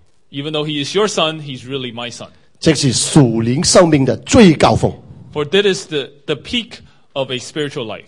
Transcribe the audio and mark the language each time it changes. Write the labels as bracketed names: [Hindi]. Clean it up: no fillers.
[English] Even though he is your son, he's really my son. [Chinese] 这是属灵生命的最高峰。 [English] For this is the peak of a spiritual life.